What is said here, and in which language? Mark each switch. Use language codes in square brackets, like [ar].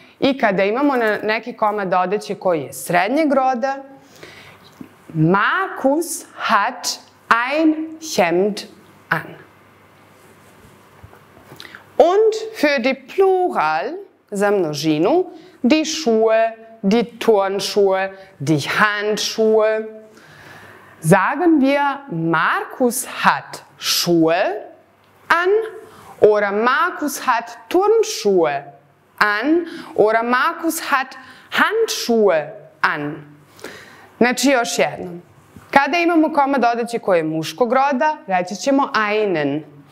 [sr] I kada imamo neki komad odeće koji je srednjeg roda, [de] Markus hat ein Hemd an. Und für die Plural, [sr] za množinu, [de] die Schuhe, die Turnschuhe, die Handschuhe. Sagen wir, Markus hat Schuhe an oder Markus hat Turnschuhe an oder Markus hat Handschuhe an. [sr] Znači, još jednom. Kada imamo komad odeće koje je muškog roda, reći ćemo einen.